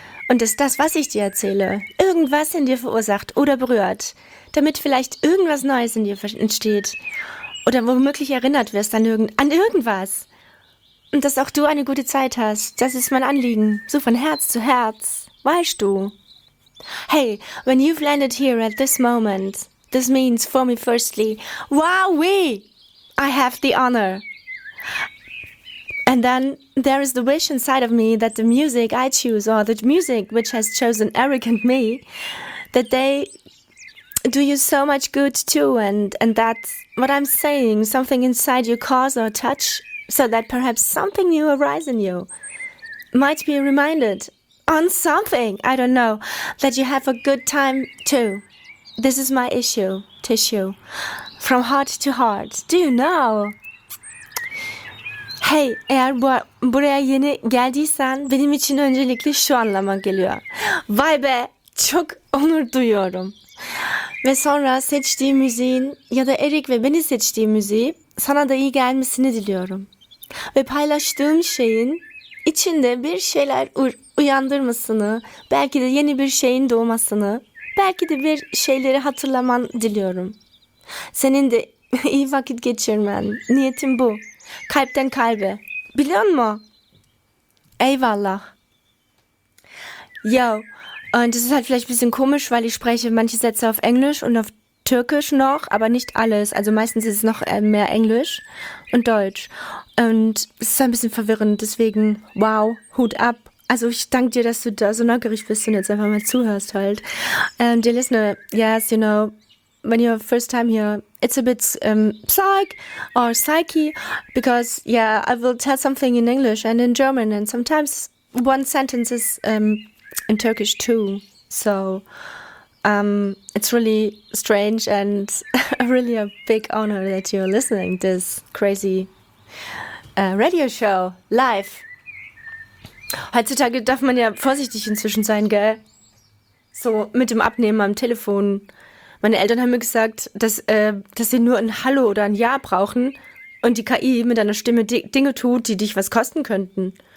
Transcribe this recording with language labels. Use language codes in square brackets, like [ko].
[de] Und dass das, was ich dir erzähle, irgendwas in dir verursacht oder berührt, damit vielleicht irgendwas Neues in dir entsteht oder womöglich erinnert wirst an irgendwas. Und dass auch du eine gute Zeit hast, das ist mein Anliegen, so von Herz zu Herz. Weißt du? [en] Hey, when you've landed here at this moment, this means for me firstly, wowee, I have the honor. And then there is the wish inside of me that the music I choose, or the music which has chosen Eric and me, that they do you so much good too, and that what I'm saying, something inside you cause or touch, so that perhaps something new arise in you, might be reminded on something, I don't know, that you have a good time too. This is my tissue, from heart to heart. Do you know? [tr] Hey, eğer buraya yeni geldiysen, benim için öncelikle şu anlama geliyor. Vay be, çok onur duyuyorum. Ve sonra seçtiğim müziğin ya da Eric ve beni seçtiğim müziği sana da iyi gelmesini diliyorum. Ve paylaştığım şeyin İçinde bir şeyler uyandırmasını, belki de yeni bir şeyin doğmasını, belki de bir şeyleri hatırlaman diliyorum. Senin de iyi vakit geçirmen, niyetim bu. Kalpten kalbe. Biliyor musun? Eyvallah. [de] Yo, und das ist halt vielleicht ein bisschen komisch, weil ich spreche manche Sätze auf Englisch und auf Türkisch noch, aber nicht alles. Also meistens ist es noch mehr Englisch und Deutsch. Und es ist ein bisschen verwirrend, deswegen wow, Hut ab. Also ich danke dir, dass du da so neugierig bist und jetzt einfach mal zuhörst halt. [en] Dear listener, yes, you know, when you're first time here, it's a bit psych or psyche, because yeah, I will tell something in English and in German and sometimes one sentence is in Turkish too. So it's really strange and really a big honor that you're listening to this crazy radio show live. [de] Heutzutage darf man ja vorsichtig inzwischen sein, gell? So mit dem Abnehmen am Telefon. Meine Eltern haben mir gesagt, dass sie nur ein Hallo oder ein Ja brauchen und die KI mit deiner Stimme Dinge tut, die dich was kosten könnten.